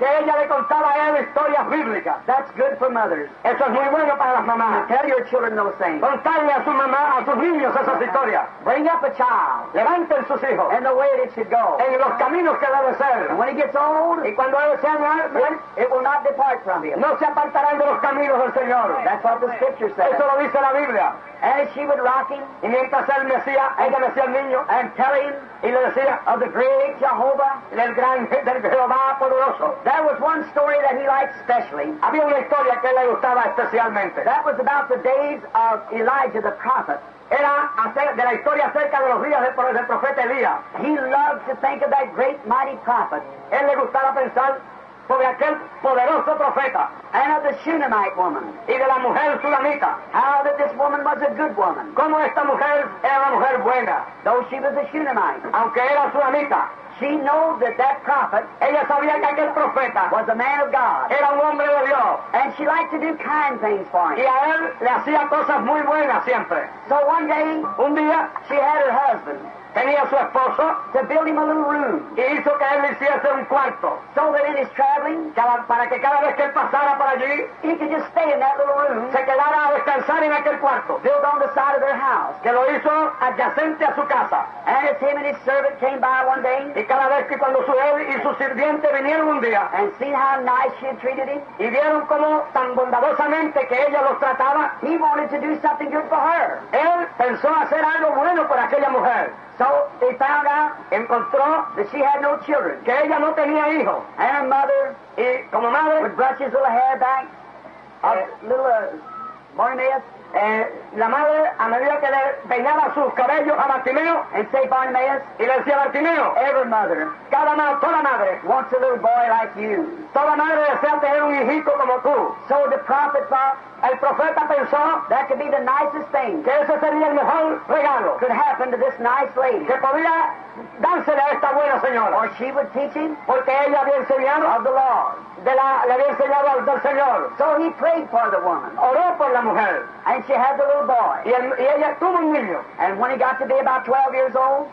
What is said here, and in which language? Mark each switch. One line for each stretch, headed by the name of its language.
Spanish: Que ella le contaba a él historias bíblicas.
English: That's good for mothers.
Spanish: Eso es muy bueno para las mamás.
English: And tell your children those things.
Spanish: Contarle a su mamá, a sus niños esas historias.
English: Bring up a child.
Spanish: Levanten sus hijos.
English: In the way that it should go.
Spanish: En los caminos que debe ser.
English: And when he gets old.
Spanish: Y cuando él sea grande.
English: It will not depart from him.
Spanish: No se apartarán de los caminos del Señor.
English: That's what the scripture says.
Spanish: Eso lo dice la Biblia.
English: And she would rock him.
Spanish: Y mientras él mecía, ella mecía al niño.
English: And tell him.
Spanish: Y le decía,
English: of the great Jehovah.
Spanish: Del gran Jehová poderoso.
English: There was one story that he liked specially.
Spanish: Había una historia que le gustaba especialmente.
English: That was about the days of Elijah the prophet.
Spanish: Era de la historia acerca de los días del profeta Elías.
English: He loved to think of that great mighty prophet.
Spanish: Él le gustaba pensar sobre aquel poderoso profeta.
English: And of the Shunammite woman.
Spanish: Y de la mujer Shunamita.
English: How that this woman was a good woman.
Spanish: Como esta mujer era una mujer buena.
English: Though she was a Shunammite.
Spanish: Aunque era Shunamita.
English: She knew that that prophet.
Spanish: Ella sabía que aquel profeta.
English: Was a man of God.
Spanish: Era un hombre de Dios.
English: And she liked to do kind things for him.
Spanish: Y a él le hacía cosas muy buenas siempre.
English: So one day.
Spanish: Un día.
English: She had her husband.
Spanish: Tenía su esposo.
English: To build him a little room.
Spanish: Y hizo que él le hiciese un cuarto.
English: So that in his traveling.
Spanish: Para que cada vez que él pasara por allí.
English: He could just stay in that little room.
Spanish: Se quedara a descansar en aquel cuarto.
English: Built on the side of their house.
Spanish: Que lo hizo adyacente a su casa.
English: And as him and his servant came by one day.
Spanish: Y cada vez que cuando su él y su sirviente vinieron un día.
English: And seen how nice she had treated him.
Spanish: Y vieron cómo tan bondadosamente que ella los trataba.
English: He wanted to do something good for her.
Spanish: Él pensó hacer algo bueno por aquella mujer.
English: So they found out,
Spanish: encontró,
English: that she had no children.
Spanish: Que ella no tenía hijo.
English: And her mother,
Spanish: y como madre,
English: would brush his little hair back, a little Bartimaeus.
Spanish: La madre, a medida que le peinaba sus cabellos a Bartimeo,
English: and say Bartimaeus,
Spanish: y le decía Bartimeo,
English: every mother,
Spanish: toda madre,
English: wants a little boy like you.
Spanish: Toda madre desea tener un hijito como tú.
English: So the prophet thought,
Spanish: el profeta pensó,
English: that could be the nicest thing,
Spanish: que ese sería el mejor regalo,
English: could happen to this nice lady,
Spanish: que podría dársele a esta buena señora,
English: or she would teach him,
Spanish: porque ella había enseñado,
English: of the Lord,
Spanish: le había enseñado al del Señor.
English: So he prayed for the woman,
Spanish: oró por la mujer,
English: and she had the little boy,
Spanish: y ella tuvo un niño,
English: and when he got to be about 12 years old,